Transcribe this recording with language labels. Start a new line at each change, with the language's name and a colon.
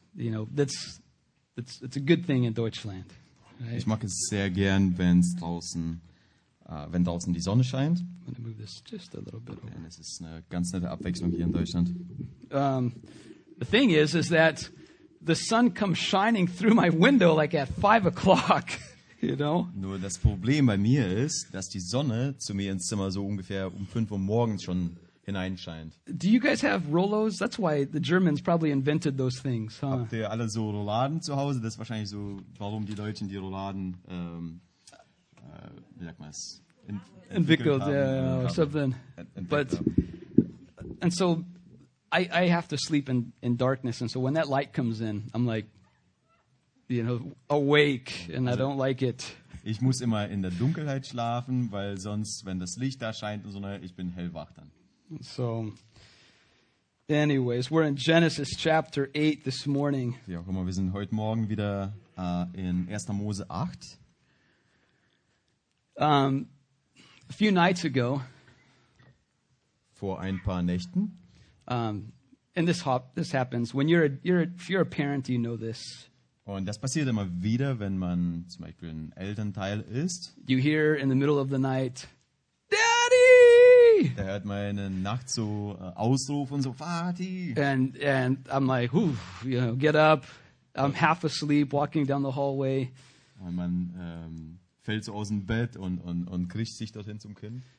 English: You know, that's a good thing in Deutschland. Right?
German: Ich mag es sehr gern, wenn draußen die Sonne scheint.
English: I'm gonna move this just a little bit.
German: Und es ist eine ganz nette Abwechslung hier in Deutschland.
English: The thing is that the sun comes shining through my window like at 5 o'clock. You know?
German: Nur das Problem bei mir ist, dass die Sonne zu mir ins Zimmer so ungefähr um 5 Uhr morgens schon hineinscheint.
English: Do you guys have Rollos? That's why the Germans probably invented those things, huh?
German: Habt ihr alle so Rouladen zu Hause? Das ist wahrscheinlich so, warum die Deutschen die Rouladen, wie sagt man es, entwickelt haben.
English: Yeah, or something. But, and so, I have to sleep in darkness, and so when that light comes in, I'm like, you know, awake, and also, I don't like it.
German: Ich muss immer in der Dunkelheit schlafen, weil sonst, wenn das Licht da scheint, und so, ich bin hellwach dann.
English: So, anyways, we're in Genesis chapter 8 this morning.
German: Ja, guck mal, wir sind heute Morgen wieder in 1. Mose 8.
English: A few nights ago.
German: Vor ein paar Nächten.
English: And this happens when if you're a parent, you know this.
German: Und das passiert immer wieder, wenn man zum Beispiel ein Elternteil ist.
English: You hear in the middle of the night, Daddy!
German: Da hört man in der Nacht so Ausruf und so, Vati!
English: And I'm like, whew, you know, get up. I'm half asleep, walking down the hallway.
German: Und man fällt so aus dem Bett und kriecht sich dorthin zum Kind.